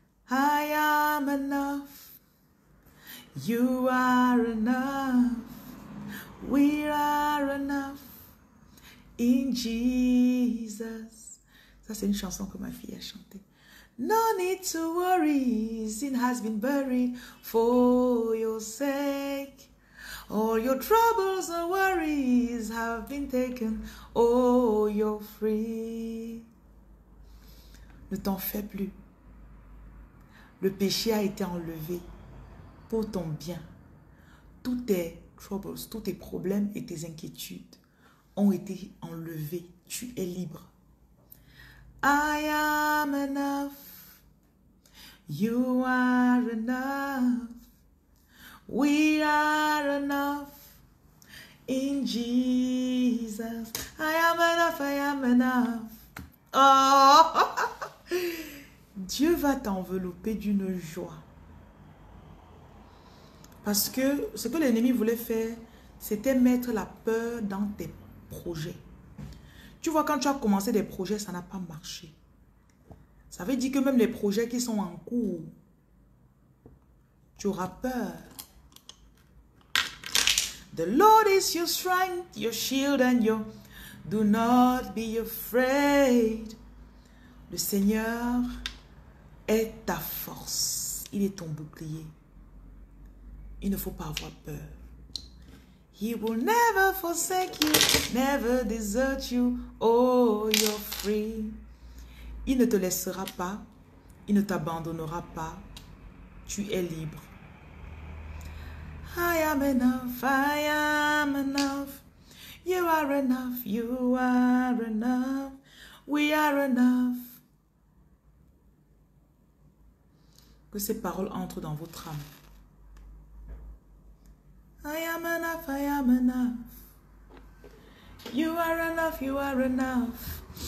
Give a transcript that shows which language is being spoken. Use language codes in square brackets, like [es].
[en] I am enough. You are enough. We are enough. In Jesus. [fr] Ça, c'est une chanson que ma fille a chantée. [en] No need to worry, sin has been buried for your sake. All your troubles and worries have been taken, oh, you're free. [fr] Ne t'en fais plus. Le péché a été enlevé pour ton bien. Tous tes troubles, tous tes problèmes et tes inquiétudes ont été enlevés. Tu es libre. [en] I am enough. You are enough. We are enough. In Jesus. I am enough. I am enough. Oh! [fr] Dieu va t'envelopper d'une joie. Parce que ce que l'ennemi voulait faire, c'était mettre la peur dans tes projets. Tu vois, quand tu as commencé des projets, ça n'a pas marché. Ça veut dire que même les projets qui sont en cours, tu auras peur. [en] The Lord is your strength, your shield and your... Do not be afraid. [fr] Le Seigneur est ta force. Il est ton bouclier. Il ne faut pas avoir peur. [en] He will never forsake you, never desert you. Oh, you're free. [fr] Il ne te laissera pas. Il ne t'abandonnera pas. Tu es libre. [en] I am enough, I am enough. You are enough, you are enough. We are enough. [fr] Que ces paroles entrent dans votre âme. [en] I am enough, I am enough. You are enough, you are enough.